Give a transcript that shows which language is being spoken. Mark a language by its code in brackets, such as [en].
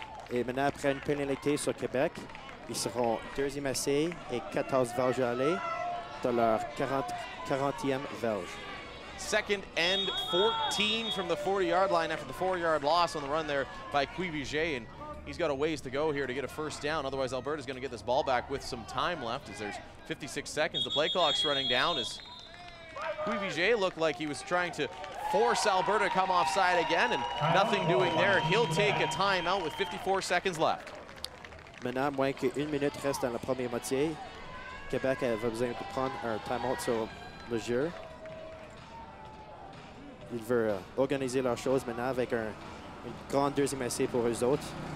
[fr] Et maintenant, après une pénalité sur Québec, ils seront deuxième essai et 14 verges allées de leur 40e verge. [en] Second and 14 from the 40-yard line after the 4-yard loss on the run there by Cuivijet. And he's got a ways to go here to get a first down. Otherwise, Alberta's going to get this ball back with some time left as there's 56 seconds. The play clock's running down as Cuivijet looked like he was trying to force Alberta to come offside again, and nothing doing there. He'll take a timeout with 54 seconds left. [fr] Maintenant, moins qu'une minute reste dans la première moitié. Québec a besoin de prendre un timeout sur le jeu. Ils veulent organiser leurs choses maintenant avec une grande deuxième essai pour eux autres.